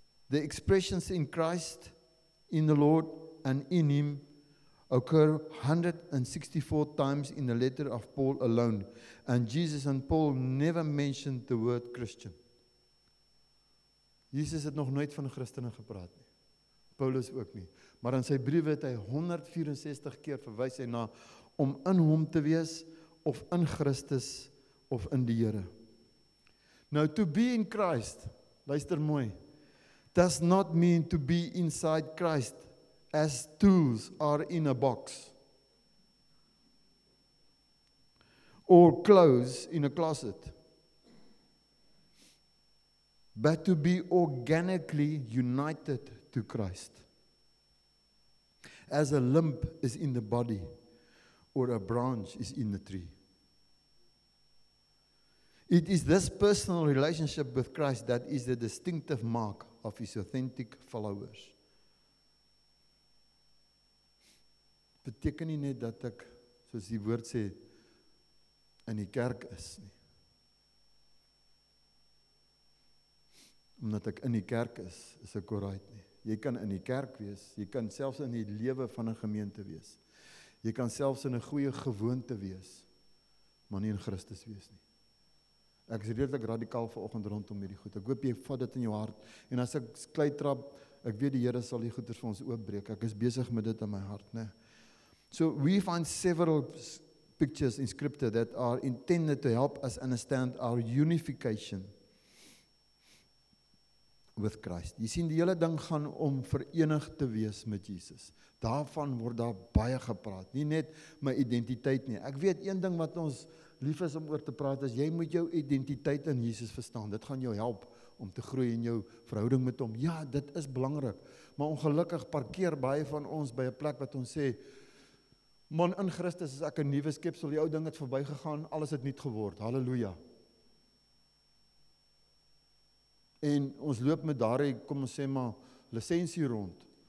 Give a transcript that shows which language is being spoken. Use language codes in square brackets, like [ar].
[en] The expressions in Christ, in the Lord, and in him occur 164 times in the letter of Paul alone. And Jesus and Paul never mentioned the word Christian. [af] Jesus het nog nooit van Christene gepraat nie. Paulus ook nie. Maar in sy briewe het hy 164 keer verwys hy na om in hom te wees, of in Christus, of in die Here. [en] Now, to be in Christ, [af] luister mooi, [en] does not mean to be inside Christ as tools are in a box or clothes in a closet, but to be organically united to Christ as a limb is in the body or a branch is in the tree. It is this personal relationship with Christ that is the distinctive mark of his authentic followers. [af] Beteken nie net dat ek, soos die woord sê, in die kerk is nie. Omdat ek in die kerk is, is ek alright nie. Jy kan in die kerk wees, jy kan selfs in die lewe van 'n gemeente wees. Jy kan selfs in 'n goeie gewoonte wees, maar nie in Christus wees nie. Ek is redelik radikaal vanoggend rondom hierdie goed. Ek hoop jy vat dit in jou hart. En as ek klei trap, ek weet die Here sal die goeders vir ons oopbreek. Ek is besig met dit in my hart, né? [en] So we find several pictures in scripture that are intended to help us understand our unification with Christ. [af] Jy sien die hele ding gaan om verenig te wees met Jesus. Daarvan word daar baie gepraat. Nie net my identiteit nie. Ek weet een ding wat ons lief is om oor te praat, is jy moet jou identiteit in Jesus verstaan. Dit gaan jou help om te groei in jou verhouding met hom. Ja, dit is belangrik. Maar ongelukkig parkeer baie van ons by 'n plek wat ons sê, man, in Christus is ek 'n nuwe skepsel. Die ou ding het verby gegaan, alles het nuut geword. Halleluja. En ons loop met daardie, kom ons sê maar, lisensie rond.